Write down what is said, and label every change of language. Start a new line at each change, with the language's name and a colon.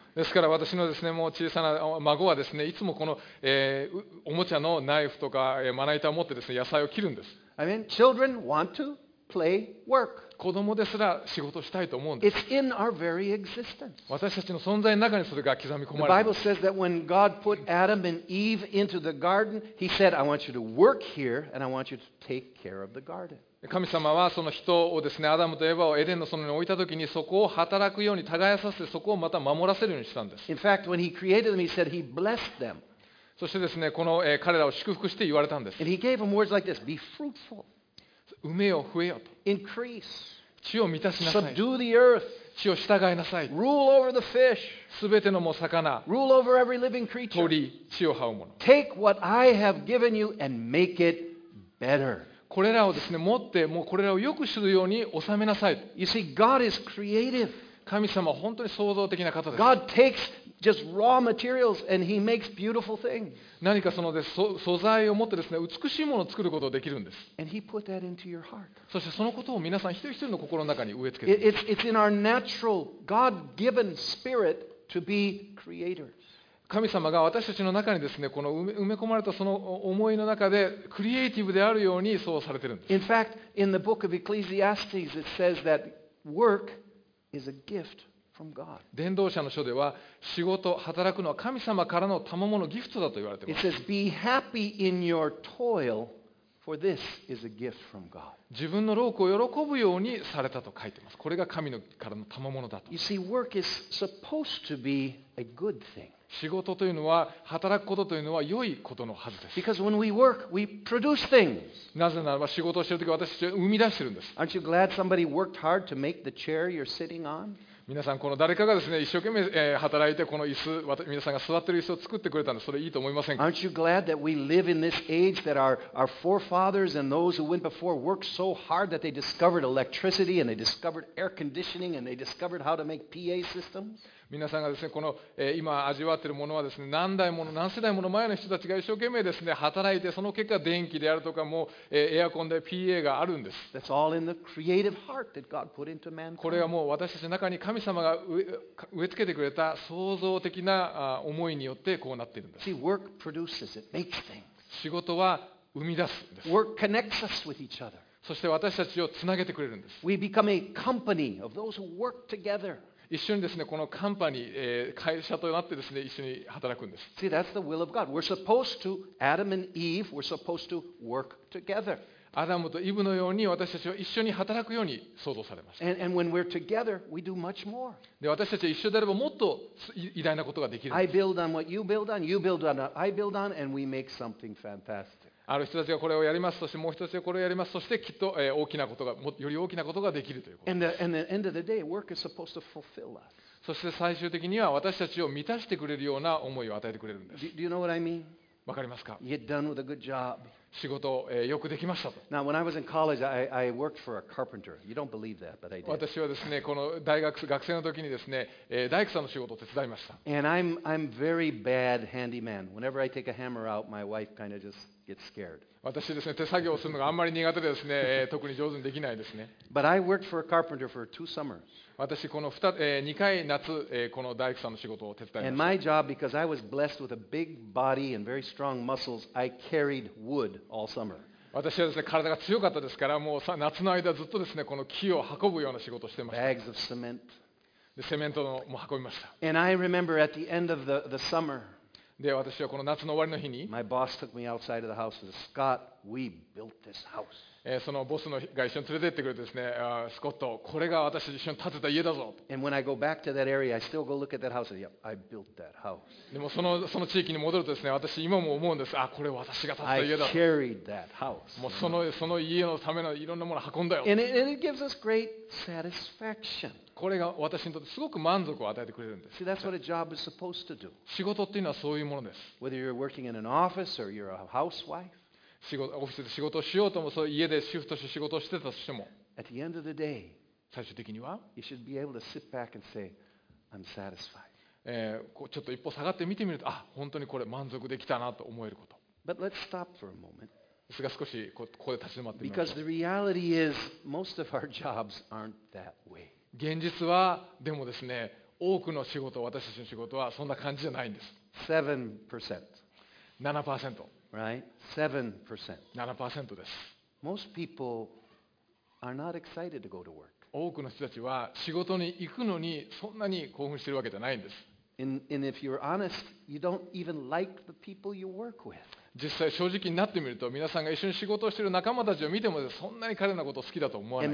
Japanese: ですから私のですね、もう小さな孫はですね、いつもこの、おもちゃのナイフとか、まな板を持ってですね、野菜を切るんです。
English: I mean, children want to play work.
Japanese: 子供ですら仕事したいと思うんです。
English: It's in our very existence.
Japanese: 私たちの存在の中にそれが刻み込まれています。
English: The Bible says that when God put Adam and Eve into the garden, He said, I want you to work here and I want you to take care of the garden.
Japanese: 神様はその人をですね、アダムとエヴァをエデンの園に置いたときに、そこを働くように耕させて、そこをまた守らせるようにしたんです。
English: In fact, when He created them, He said He blessed them.
Japanese: そしてですね、この彼らを祝福して言われたんです。
English: And He gave them words like this: Be fruitful.
Japanese: 埋めよ、増えよと。
English: Increase.
Japanese: 地を満たしなさい。
English: Subdue the earth.
Japanese: 地を従いなさい。
English: Rule over the fish.
Japanese: すべてのもう魚。
English: Rule over every living creature.
Japanese: 鳥、地を這うもの。
English: Take what I have given you and make it better.
Japanese: これらをですね、持ってもうこれらを良くするように収めなさい。
English: You see, God is creative.
Japanese: 神様は本当に創造的な方です。
English: God takes just raw materials and He makes beautiful things.
Japanese: 何かその素材を持ってですね、美しいものを作ることができるんです。
English: And He put that into your heart.
Japanese: そしてそのことを皆さん一人一人の心の中に植え付けています。
English: It's in our natural, God-given spirit to be creators.
Japanese: 神様が私たちの中にですね、この埋め込まれたその思いの中で、クリエイティブであるようにそうされているんです。
English: In fact, in the book of Ecclesiastes, it says that work is a gift.
Japanese: 伝道者の書では仕事働くのは神様からの賜物ギフトだと言われています。
English: It says, "Be happy in your toil, for this is a gift from God."
Japanese: 自分の労苦を喜ぶようにされたと書いています。これが神からの賜物だと。
English: You see, work is supposed to be a good thing.
Japanese: 仕事というのは働くことというのは良いことのはずです。
English: Because when we work, we produce things.
Japanese: なぜならば仕事をしているとき私たちは生み出しているんです。
English: Aren't you glad somebody worked hard to make the chair you're sitting on?
Japanese: 皆さんこの誰かがですね一生懸命働いてこの椅子皆さんが座ってる椅子を作ってくれたんですそれいいと思いませんか
English: Aren't you glad that we live in this age that our forefathers and those who went before worked so hard that they discovered electricity and they discovered air conditioning and they discovered how to make PA systems?
Japanese: 皆さんがですね、この今味わっているものはですね、何代もの何世代もの前の人たちが一生懸命ですね、働いて、その結果電気であるとかもエアコンで PA があるんです。
English: That's all in the creative heart that God put into mankind.
Japanese: これはもう私たちの中に神様が植え付けてくれた創造的な思いによってこうなっているんです。
English: See, work produces, it makes things.
Japanese: 仕事は生み出すんです。
English: Work connects us with each other.
Japanese: そして私たちをつなげてくれるんです。
English: We become a company of those who work together.
Japanese: 一緒にですね、このカンパニー、会社となってですね、一緒に働くんです。
English: See, that's the will of God. We're supposed to, Adam and Eve, we're supposed to work together.
Japanese: アダムとイブのように私たちは一緒に働くように創造されました。
English: And when we're together, we do much more.
Japanese: で、私たちは一緒であればもっと偉大なことができるんです。
English: I build on what you build on, you build on what I build on, and we make something fantastic.
Japanese: ある人たちがこれをやります。そしてもう一つがこれをやります。そしてきっと大きなことが、より大きなことができるということです。そして最終的には私たちを満たしてくれるような思いを与えてくれるんです。
English: Do you know what I mean?
Japanese: わかりますか?
English: You're done with a good job.
Japanese: 仕事を、よくできましたと。
English: Now, when I was in college, I worked for a carpenter. You don't believe that, but I did.
Japanese: 私はですね、この大学、学生の時にですね、大工さんの仕事を手伝いました。
English: And I'm very bad handyman. Whenever I take a hammer out, my wife kind of just...
Japanese: 私ですね、手作業をするのがあんまり苦手でですね、特に上手にできないですね。
English: But I worked for a carpenter for two summers.
Japanese: 私この2回夏、この大工さんの仕事を手伝いました。
English: And my job, because I was blessed with a big body and very strong muscles, I carried wood all summer.
Japanese: 私はですね、体が強かったですから、もう夏の間ずっとですね、この木を運ぶような仕事をしてました。
English: Bags of cement.
Japanese: で、セメントのも運びました。
English: And I remember at the end of the summer,
Japanese: で私はこの夏の終わりの日に、
English: My boss took me outside of the house and said, Scott, we built this house.
Japanese: そのボスのが一緒に連れて行ってくれてですね、スコット、これが私一緒に建てた家だぞ。
English: And when I go back to that area, I still go look at that house and say, Yep, I built that house.
Japanese: でもその地域に戻るとですね、私今も思うんです。あ、これ私が建てた家だ。
English: I carried that house.
Japanese: もうその家のためのいろんなものを運んだよ。
English: And it gives us great satisfaction.
Japanese: これが私にとってすごく満足を与えてくれるんです。
English: See, that's what a job is supposed to do.
Japanese: 仕事っていうのはそういうものです。
English: Whether you're working in an office or you're a housewife,
Japanese: オフィスで仕事をしようとも、そう家でシフトして仕事をしてたとしても、
English: at the end of the day,
Japanese: 最終的には、
English: you should be able to sit back and say, I'm satisfied.
Japanese: ちょっと一歩下がって見てみると、あ、本当にこれ満足できたなと思えること。
English: But let's stop for a moment.
Japanese: ですが少しここで立ち止まってみましょう。
English: Because the reality is, most of our jobs aren't that way.
Japanese: 現実はでもですね、多くの仕事、私たちの仕事はそんな感じじゃないんです。
English: 7%。 Right? 7%。
Japanese: 7% です。
English: Most people are not excited to go to work.
Japanese: 多くの人たちは仕事に行くのにそんなに興奮しているわけじゃないんです。
English: And if you're honest, you don't even like the people you work with.
Japanese: 実際正直になってみると皆さんが一緒に仕事をしている仲間たちを見てもそんなに彼のことを好きだと思わない